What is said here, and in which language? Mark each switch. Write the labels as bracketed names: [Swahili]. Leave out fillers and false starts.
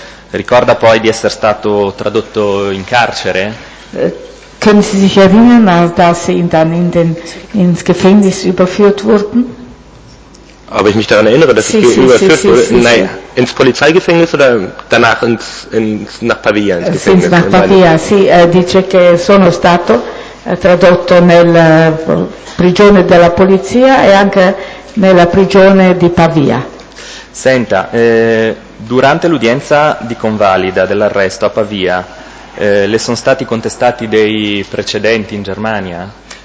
[Italian] Ricorda poi di essere stato tradotto in carcere? [German] Können Sie sich erinnern, dass Sie dann ins Gefängnis überführt wurden? Ob ich mich daran erinnere, dass ich überführt wurde? Nein, ins Polizeigefängnis oder danach ins nach Pavia ins Gefängnis? [Italian] Sì, [German] nach Pavia, [Italian] sì, dice che sono stato tradotto nella prigione della polizia e anche nella prigione di Pavia. Senta, durante l'udienza di convalida dell'arresto a Pavia, le sono stati contestati dei precedenti in Germania?